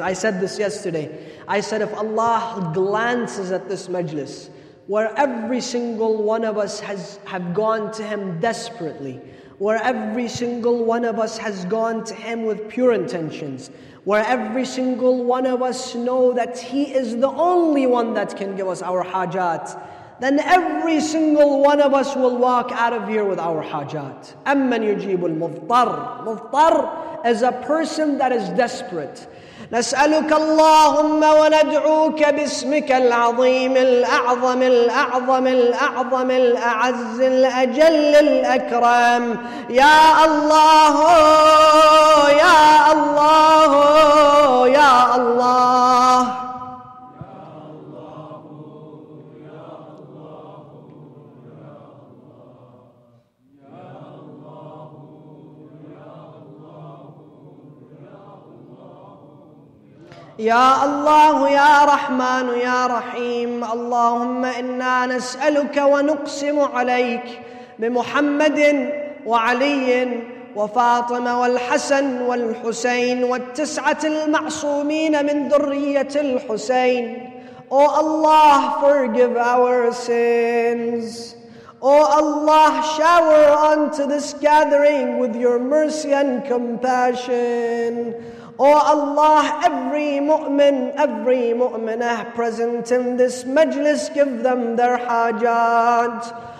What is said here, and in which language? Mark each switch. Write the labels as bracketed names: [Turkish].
[English] I said this yesterday. I said, if Allah glances at this majlis, where every single one of us have gone to Him desperately, where every single one of us has gone to Him with pure intentions, where every single one of us know that He is the only one that can give us our hajat, then every single one of us will walk out of here with our hajat. [Arabic] أَمَّنْ يُجِيبُ الْمُفْطَرِ. [English] Muftar is a person that is desperate. [Arabic] نسألك اللهم وندعوك باسمك العظيم الأعظم الأعظم الأعظم الأعز الأجل الأكرم. يا الله يا الله يا الله. يا الله يا رحمن يا رحيم. اللهم إنا نسألك ونقسم عليك بمحمد وعلي وفاطمة والحسن والحسين والتسعة المعصومين من ذرية الحسين. [English] O Allah, forgive our sins. O Allah, shower onto this gathering with your mercy and compassion. O Allah, every mu'minah present in this majlis, give them their hajat.